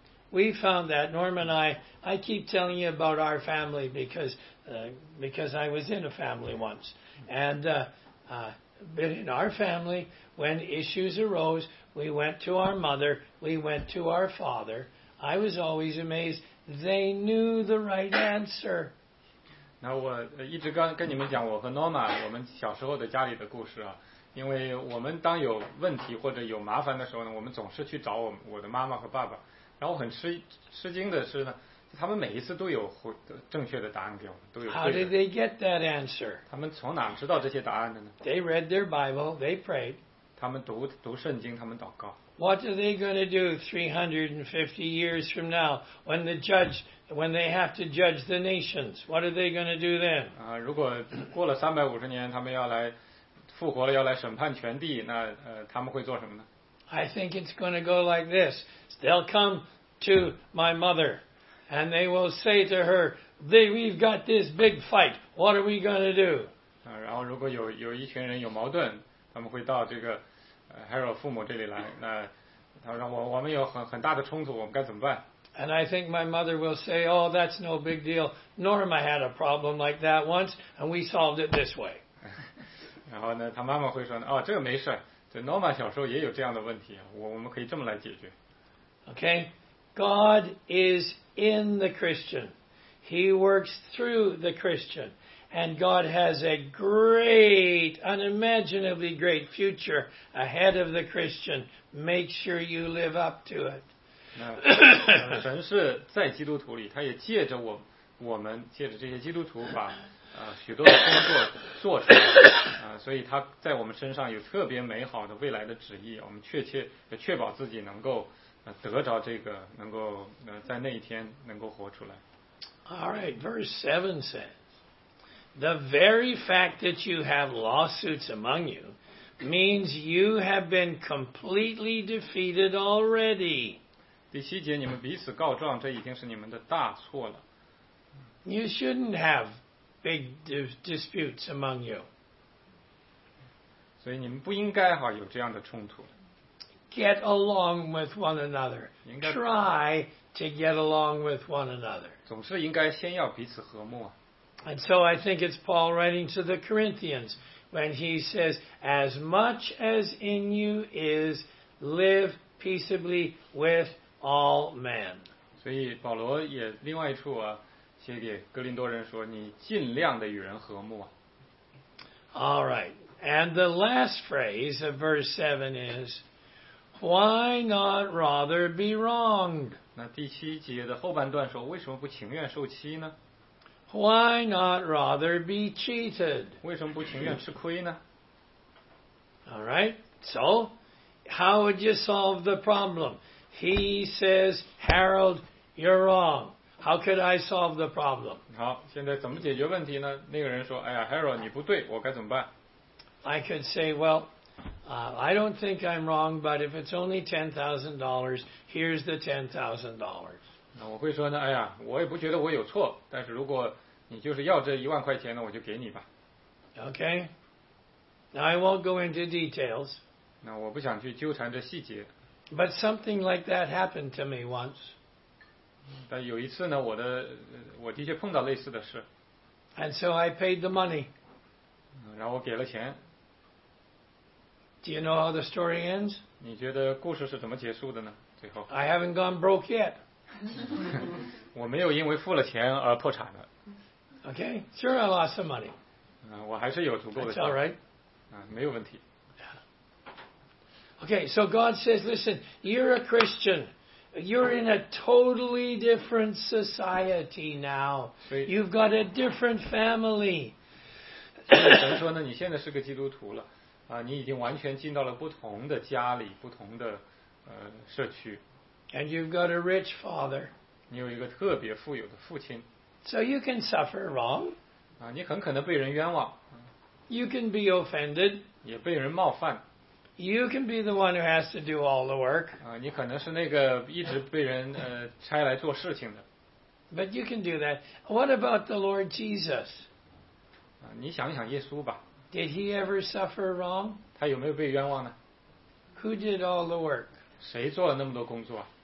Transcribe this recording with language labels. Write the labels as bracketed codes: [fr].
[en] We found that Norm and I keep telling you about our family because I was in a family once. And but in our family, when issues arose, we went to our mother, we went to our father. I was always amazed they knew the right answer. [zh] 那我一直跟你们讲我和 Norma 我们小时候的家里的故事啊。因为我们当有问题或者有麻烦的时候呢，我们总是去找我的妈妈和爸爸。然后很吃惊的是呢，他们每一次都有正确的答案给我们，都有。 [en] How did they get that answer? [zh] 他们从哪知道这些答案的呢 [en] ？They read their Bible. They prayed. [zh] 他们读圣经，他们祷告。 [en] What are they going to do 350 years from now when they have to judge the nations? What are they going to do then? [zh] 如果过了350年，他们要来。复活了要来审判全地，那他们会做什么呢 [en] ？I think it's going to go like this. They'll come to my mother, and they will say to her, "We've got this big fight. What are we going to do?" [zh] 然后如果有一群人有矛盾，他们会到这个 Harold 父母这里来，那他说我们有很大的冲突，我们该怎么办？ [en] And I think my mother will say, oh, that's no big deal. Norma had a problem like that once, and we solved it this way. [zh] 然后呢，他妈妈会说呢，哦，这个没事，这 Norma 小时候也有这样的问题，我们可以这么来解决。 [en] Okay, God is in the Christian. He works through the Christian. And God has a great, unimaginably great future ahead of the Christian. Make sure you live up to it. [zh] 神是在基督徒里，他也借着我们借着这些基督徒把许多的工作做出来，所以他在我们身上有特别美好的未来的旨意，我们确保自己能够得着这个，能够在那一天能够活出来。 [en] Alright, verse 7 says, the very fact that you have lawsuits among you means you have been completely defeated already. [zh] 第七节，你们彼此告状，这已经是你们的大错了。 [en] You shouldn't have big disputes among you. [zh] 所以你们不应该有这样的冲突。 [en] Get along with one another. Try to get along with one another. [zh] 总是应该先要彼此和睦。 [en] And so I think it's Paul writing to the Corinthians when he says, as much as in you is, live peaceably with all men. [zh] 所以保罗也另外一处写给哥林多人说，你尽量的与人和睦。 [en] All right. And the last phrase of verse 7 is,Why not rather be wronged? [zh] 那第七节的后半段说，为什么不情愿受欺呢？ [en] Why not rather be cheated? [zh] 为什么不情愿吃亏呢？ [en] All right. So, how would you solve the problem? He says, Harold, you're wrong. How could I solve the problem? [zh] 好，现在怎么解决问题呢？那个人说，哎呀 ，Harold， 你不对，我该怎么办？ [en] I could say, well. I don't think I'm wrong, but if it's only $10,000, here's the $10,000. [zh] 那我会说呢，哎呀，我也不觉得我有错，但是如果你就是要这一万块钱呢，我就给你吧。 [en] Okay. Now I won't go into details. [zh] 那我不想去纠缠这细节。 [en] But something like that happened to me once. [zh] 但有一次呢，我的确碰到类似的事。 [en] And so I paid the money. [zh] 然后我给了钱。 [en] Do you know how the story ends? [zh] 你觉得故事是怎么结束的呢？最后。 [en] I haven't gone broke yet. [zh] 我没有因为付了钱而破产的。 [en] Okay, sure I lost some money. [zh] 我还是有足够的钱。 [en] That's all right. [zh] 没有问题。 [en] Okay, so God says, listen, you're a Christian. You're in a totally different society now. You've got a different family. [zh] 神说呢，你现在是个基督徒了。你已经完全进到了不同的家里，不同的社区。 [en] And you've got a rich father. [zh] 你有一个特别富有的父亲。 [en] So you can suffer wrong. [zh] 你很可能被人冤枉。 [en] You can be offended. [zh] 也被人冒犯。 [en] You can be the one who has to do all the work. [zh] 你可能是那个一直被人差来做事情的。 [en] But you can do that. What about the Lord Jesus? [zh] 你想一想耶稣吧。 [en] Did he ever suffer wrong? [zh] 他有没有被冤枉呢？ [en] Who did all the work? [zh] 谁做了那么多工作？